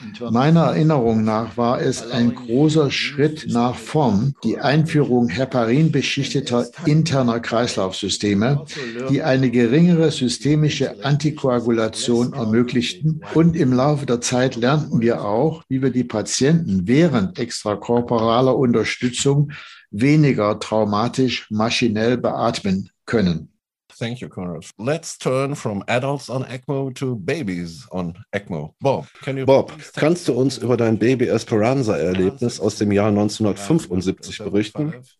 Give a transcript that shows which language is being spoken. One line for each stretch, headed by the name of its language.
German: Meiner Erinnerung nach war es ein großer Schritt nach Form, die Einführung heparinbeschichteter interner Kreislaufsysteme, die eine geringere systemische Antikoagulation ermöglichten. Und im Laufe der Zeit lernten wir auch, wie wir die Patienten während extrakorporaler Unterstützung weniger traumatisch maschinell beatmen können.
English: Thank you, Conrad. Let's turn from adults on ECMO to babies on ECMO.
German: Bob, kannst du uns über dein Baby Esperanza-Erlebnis aus dem Jahr 1975 berichten?